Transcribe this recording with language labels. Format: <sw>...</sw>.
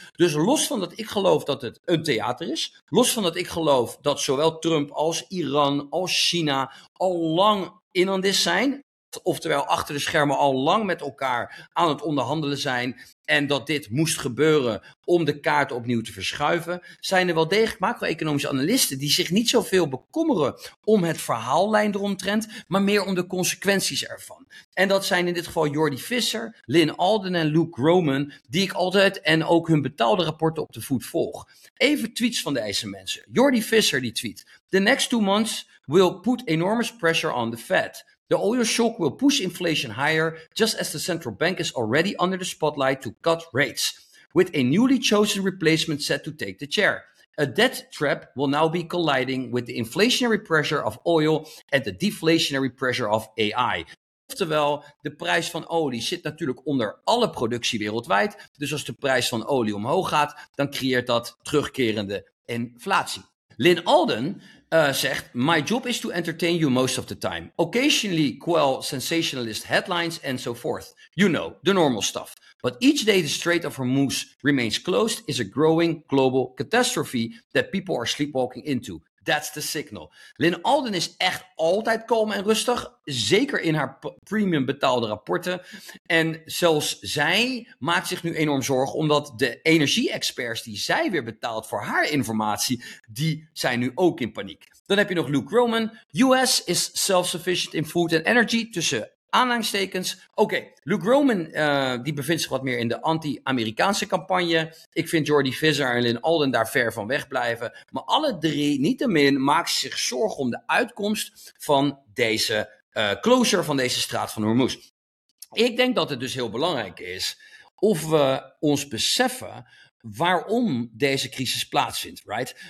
<nl>Dus los van dat ik geloof dat het een theater is, los van dat ik geloof dat zowel Trump als Iran als China al lang inlandis zijn, oftewel achter de schermen al lang met elkaar aan het onderhandelen zijn en dat dit moest gebeuren om de kaart opnieuw te verschuiven, zijn er wel degelijk macro-economische analisten die zich niet zoveel bekommeren om het verhaallijn eromtrent, maar meer om de consequenties ervan. En dat zijn in dit geval Jordi Visser, Lynn Alden en Luke Groman, die ik altijd en ook hun betaalde rapporten op de voet volg. Even tweets van deze mensen.</nl> <en>Jordi Visser</en> <nl>die tweet:</nl> <en>"The next 2 months will put enormous pressure on the Fed. The oil shock will push inflation higher, just as the central bank is already under the spotlight to cut rates, with a newly chosen replacement set to take the chair. A debt trap will now be colliding with the inflationary pressure of oil and the deflationary pressure of AI."</en> <nl>Oftewel, de prijs van olie zit natuurlijk onder alle productie wereldwijd. Dus als de prijs van olie omhoog gaat, dan creëert dat terugkerende inflatie.</nl> <en>Lynn Alden</en> <nl>zegt:</nl> <en>"My job is to entertain you most of the time. Occasionally quell sensationalist headlines and so forth. You know, the normal stuff. But each day the Strait of Hormuz remains closed is a growing global catastrophe that people are sleepwalking into. That's the signal."</en> <nl>Lynn Alden is echt altijd kalm en rustig, zeker in haar premium betaalde rapporten. En zelfs zij maakt zich nu enorm zorgen, omdat de energie-experts die zij weer betaalt voor haar informatie, die zijn nu ook in paniek. Dan heb je nog Luke Groman.</nl> <en>"US is self-sufficient in food and energy,"</en> <nl>tussen aanhalingstekens. Oké, Luke Groman die bevindt zich wat meer in de anti-Amerikaanse campagne. Ik vind Jordi Visser en Lynn Alden daar ver van weg blijven. Maar alle drie, niettemin, maken zich zorgen om de uitkomst van deze closure van deze straat van Hormuz. Ik denk dat het dus heel belangrijk is of we ons beseffen waarom deze crisis plaatsvindt, right?</nl>